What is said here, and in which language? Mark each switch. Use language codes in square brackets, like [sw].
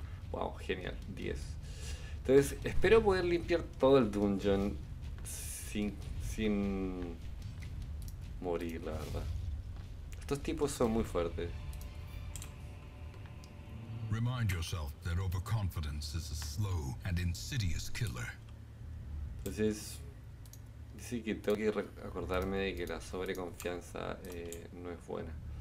[es] Wow, genial, 10. Entonces, espero poder limpiar todo el dungeon sin morir, la verdad. Estos tipos son muy fuertes. [en] Remind yourself that overconfidence is a slow and insidious killer. [es] Entonces, sí que tengo que acordarme de que la sobreconfianza no es buena.